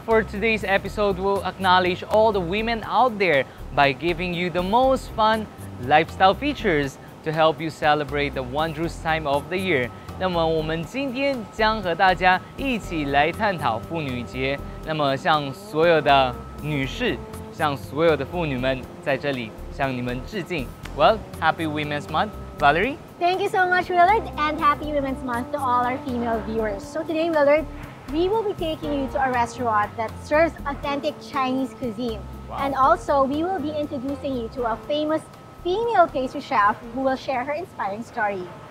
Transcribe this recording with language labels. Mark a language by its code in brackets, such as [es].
[en] For today's episode, we'll acknowledge all the women out there by giving you the most fun lifestyle features to help you celebrate the wondrous time of the year. [zh] 那么我们今天将和大家一起来探讨妇女节。那么向所有的女士，向所有的妇女们，在这里向你们致敬。 [en] Well, happy Women's Month, Valerie. Thank you so much, Willard, and happy Women's Month to all our female viewers. So today, Willard, we will be taking you to a restaurant that serves authentic Chinese cuisine. Wow. And also, we will be introducing you to a famous female pastry chef who will share her inspiring story.